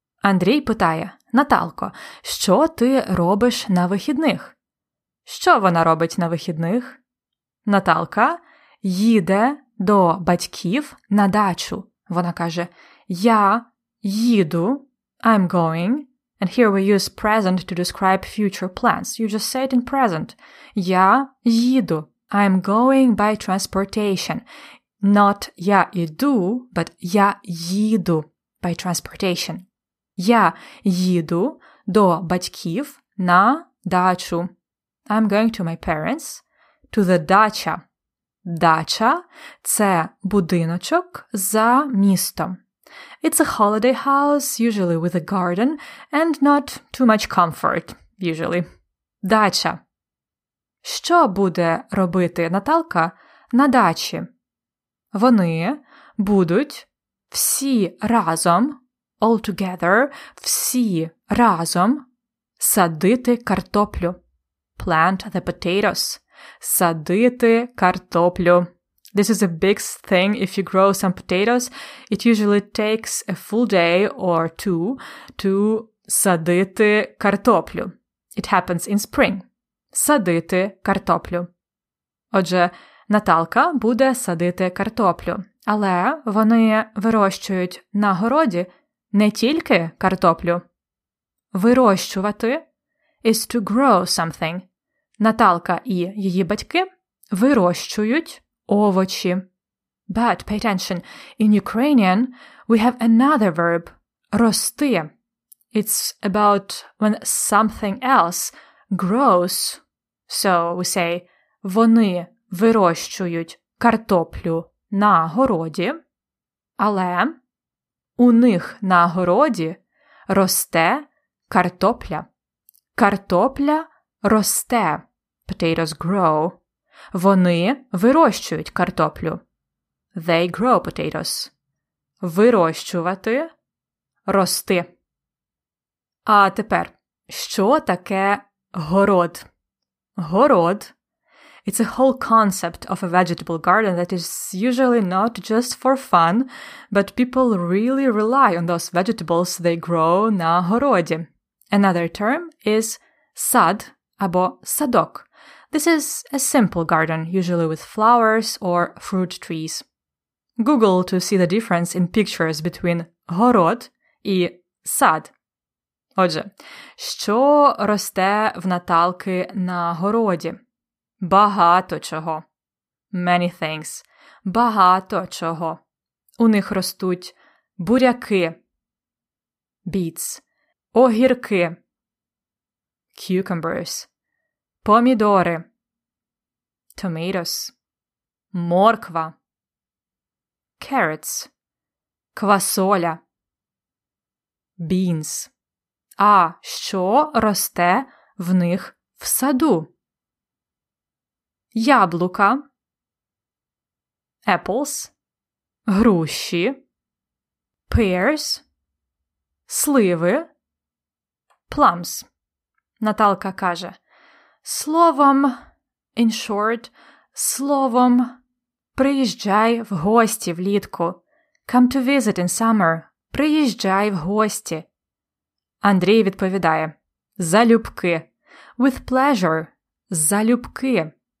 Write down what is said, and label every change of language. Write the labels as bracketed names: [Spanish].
[Ukrainian] Андрій питає: Наталко, що ти робиш на вихідних? Що вона робить на вихідних? Наталка їде до батьків на дачу. Вона каже: я їду, [English] I'm going. And here we use present to describe future plans. You just say it in present. [Ukrainian] Я їду, [English] I'm going by transportation. Not [Ukrainian] я іду, [English] but [Ukrainian] я їду [English] by transportation. [Ukrainian] Я їду до батьків на дачу. [English] I'm going to my parents, to the dacha. [Ukrainian] Дача – це будиночок за містом. [English] It's a holiday house, usually with a garden, and not too much comfort, usually. [Ukrainian] Дача. Що буде робити Наталка на дачі? Вони будуть всі разом, [English] all together, [Ukrainian] всі разом садити картоплю. [English] Plant the potatoes. [Ukrainian] Садити картоплю. [English] This is a big thing. If you grow some potatoes, it usually takes a full day or two to [Ukrainian] садити картоплю. [English] It happens in spring. [Ukrainian] Садити картоплю. Отже, Наталка буде садити картоплю. Але вони вирощують на городі не тільки картоплю. [English] Вирощувати is to grow something. [Ukrainian] Наталка і її батьки вирощують овочі. [English] But pay attention, in Ukrainian we have another verb – рости. It's about when something else grows. So we say [Ukrainian] – вони вирощують картоплю на городі, але у них на городі росте картопля. Картопля росте. [English] Potatoes grow. [Ukrainian] Вони вирощують картоплю. [English] They grow potatoes. [Ukrainian] Вирощувати – рости. А тепер, що таке город? Город [English] It's a whole concept of a vegetable garden that is usually not just for fun, but people really rely on those vegetables they grow na городі. Another term is [Ukrainian] сад або садок. [English] This is a simple garden, usually with flowers or fruit trees. Google to see the difference in pictures between [Ukrainian] город і сад. Отже, що росте в Наталки на городі? Багато чого. [English] Many things. [Ukrainian] Багато чого. У них ростуть буряки. Beets. Огірки. Cucumbers. Помідори. Tomatoes. Морква. Carrots. Квасоля. Beans. А що росте в них в саду? Яблука, apples, груші, pears, сливи, plums. Наталка каже, словом, [English] in short, [Ukrainian] словом, приїжджай в гості влітку. [English] Come to visit in summer, [Ukrainian] приїжджай в гості. Андрій відповідає, залюбки, [English] with pleasure, [Ukrainian] залюбки.